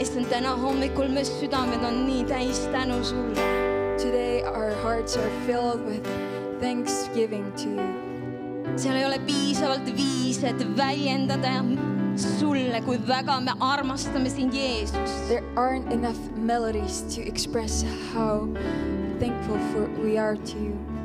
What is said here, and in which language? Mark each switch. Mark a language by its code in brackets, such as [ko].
[et] täna hommikul me südamed on nii täis tänu sulle. [en] Today our hearts are filled with thanksgiving to you. [et] Seal ei ole piisavalt viised väljendada sulle, kui väga me armastame sind, Jeesus. [en] There aren't enough melodies to express how thankful for we are to you.